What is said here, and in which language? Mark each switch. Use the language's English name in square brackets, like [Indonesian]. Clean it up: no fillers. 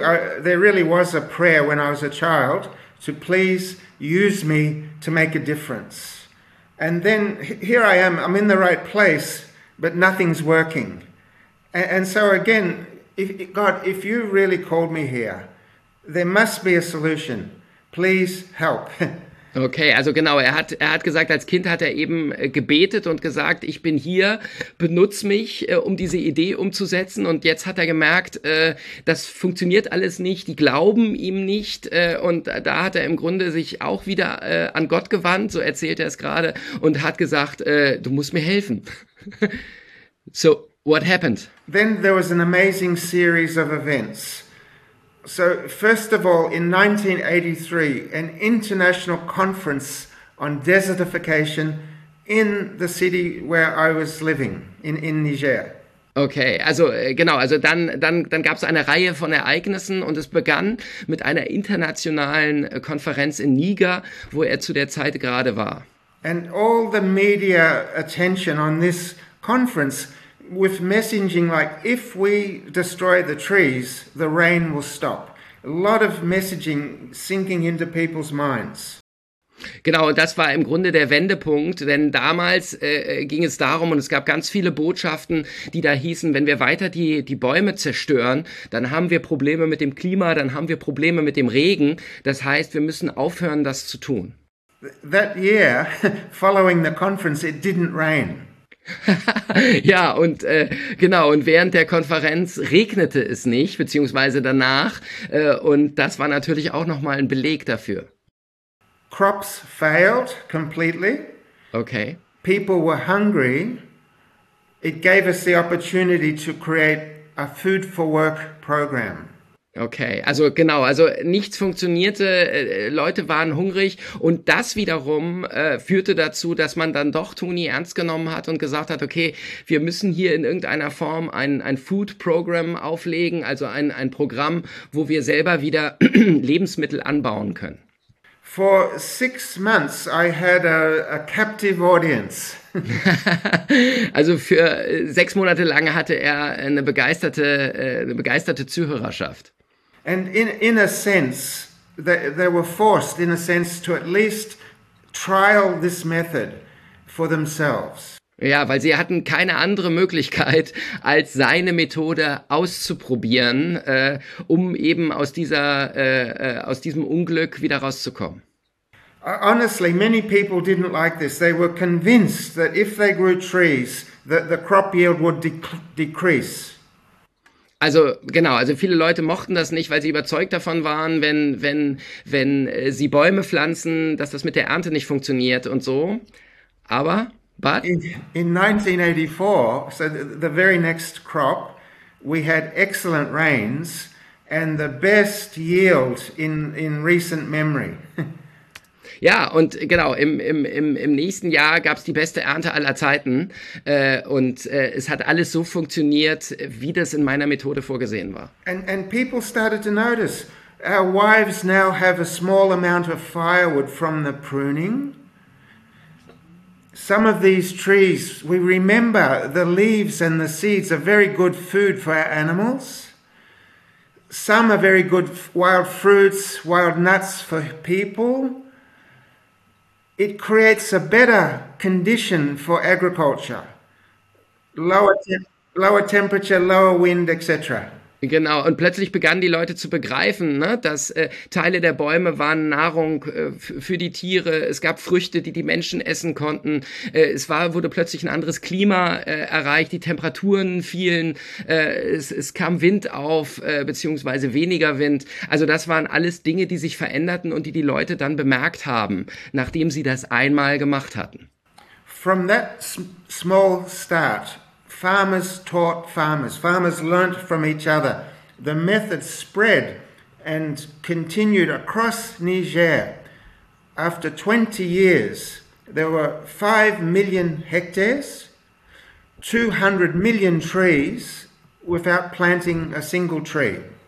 [English] There really was a prayer when I was a child to please use me to make a difference. And then here I am, I'm in the right place, but nothing's working. And so again, if you really called me here, there must be a solution. Please help. [German] Okay, also genau, er hat gesagt, als Kind hat er eben gebetet und gesagt, ich bin hier, benutz mich, um diese Idee umzusetzen. Und jetzt hat er gemerkt, das funktioniert alles nicht, die glauben ihm nicht. Und da hat er im Grunde sich auch wieder an Gott gewandt, so erzählt er es gerade, und hat gesagt, du musst mir helfen. [English] So, what happened? Then there was an amazing series of events. So first of all, in 1983, an international conference on desertification in the city where I was living, in Niger. [German] Okay, also genau, also dann gab es eine Reihe von Ereignissen und es begann mit einer internationalen Konferenz in Niger, wo er zu der Zeit gerade war. [English] And all the media attention on this conference with messaging like, if we destroy the trees, the rain will stop. A lot of messaging sinking into people's minds. [German] Genau, das war im Grunde der Wendepunkt, denn damals ging es darum und es gab ganz viele Botschaften, die da hießen, wenn wir weiter die Bäume zerstören, dann haben wir Probleme mit dem Klima, dann haben wir Probleme mit dem Regen. Das heißt, wir müssen aufhören, das zu tun. [English] That year, following the conference, it didn't rain. [German] Ja, und genau, und während der Konferenz regnete es nicht, beziehungsweise danach, und das war natürlich auch nochmal ein Beleg dafür. [English] Crops failed completely. Okay. People were hungry. It gave us the opportunity to create a food for work program. [German] Okay, also genau, also nichts funktionierte, Leute waren hungrig und das wiederum führte dazu, dass man dann doch Tony ernst genommen hat und gesagt hat, okay, wir müssen hier in irgendeiner Form ein Food Program auflegen, also ein Programm, wo wir selber wieder Lebensmittel anbauen können. [English] For 6 months I had a captive audience. [German] Also für 6 Monate lang hatte er eine begeisterte Zuhörerschaft. [English] And in a sense, they were forced, in a sense, to at least trial this method for themselves. [German] Ja, weil sie hatten keine andere Möglichkeit, als seine Methode auszuprobieren, um eben aus diesem Unglück wieder rauszukommen. [English] Honestly, many people didn't like this. They were convinced that if they grew trees, that the crop yield would decrease. [German] Also genau, also viele Leute mochten das nicht, weil sie überzeugt davon waren, wenn sie Bäume pflanzen, dass das mit der Ernte nicht funktioniert und so. Aber, [English] but? In 1984, so the very next crop, we had excellent rains and the best yield in recent memory. [German] Ja, und genau, im nächsten Jahr gab es die beste Ernte aller Zeiten und es hat alles so funktioniert, wie das in meiner Methode vorgesehen war. [English] And people started to notice, our wives now have a small amount of firewood from the pruning. Some of these trees, we remember the leaves and the seeds are very good food for our animals. Some are very good wild fruits, wild nuts for people. It creates a better condition for agriculture. lower temperature, lower wind, etc. [German] Genau, und plötzlich begannen die Leute zu begreifen, ne, dass Teile der Bäume waren Nahrung für die Tiere, es gab Früchte, die die Menschen essen konnten, wurde plötzlich ein anderes Klima erreicht, die Temperaturen fielen, es kam Wind auf, beziehungsweise weniger Wind. Also das waren alles Dinge, die sich veränderten und die Leute dann bemerkt haben, nachdem sie das einmal gemacht hatten. [English] From that small start, farmers taught farmers. Farmers learnt from each other. The method spread and continued across Niger. After 20 years, there were 5 million hectares, 200 million trees without planting a single tree.